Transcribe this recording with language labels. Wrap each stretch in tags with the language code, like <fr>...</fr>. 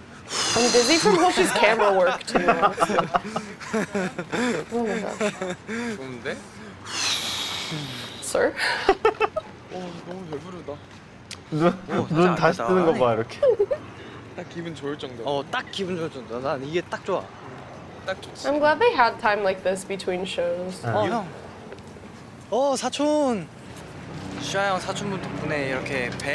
<en>I'm dizzy from Hoshi's camera work too.</en> <ko>좋은데?</ko> <en>Sir?</en> <ko>오, 너무 배부르다. 눈 다시 뜨는 거 봐, 이렇게. 딱 기분 좋을 정도. 딱 기분 좋을 정도. 난 이게 딱 좋아.</ko> <en>I'm glad they had time like this between shows.</en> <ko>Oh, 형. 사촌. 슈아 형 사촌분 덕분에 이렇게 배</ko>